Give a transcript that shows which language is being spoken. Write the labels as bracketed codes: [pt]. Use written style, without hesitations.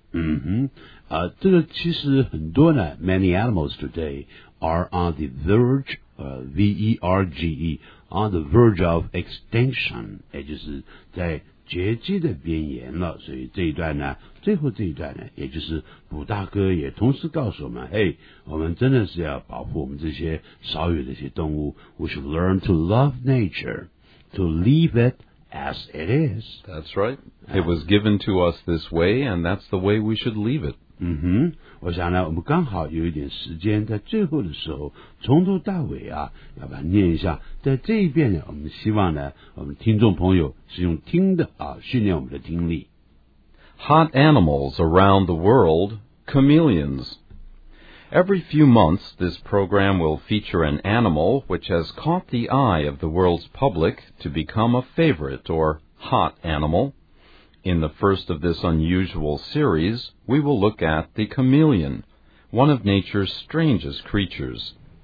[zh] Mm-hmm. 这个其实很多呢, [en] many animals today are on the verge, V-E-R-G-E, on the verge of extinction, [zh] 也就是在 劫机的边缘了，所以这一段呢，最后这一段呢，也就是卜大哥也同时告诉我们：嘿，我们真的是要保护我们这些少有的一些动物。 [en] We should learn to love nature, to leave it as it is. That's right. It was given to us this way, and that's the way we should leave it. [zh] 嗯哼，我想呢，我们刚好有一点时间，在最后的时候，从头到尾啊，要把它念一下。在这一遍呢，我们希望呢，我们听众朋友是用听的啊，训练我们的听力。 [en] Hot animals around the world, chameleons. Every few months, this program will feature an animal which has caught the eye of the world's public to become a favorite or hot animal. In the first of this unusual series, we will look at the chameleon, one of nature's strangest creatures.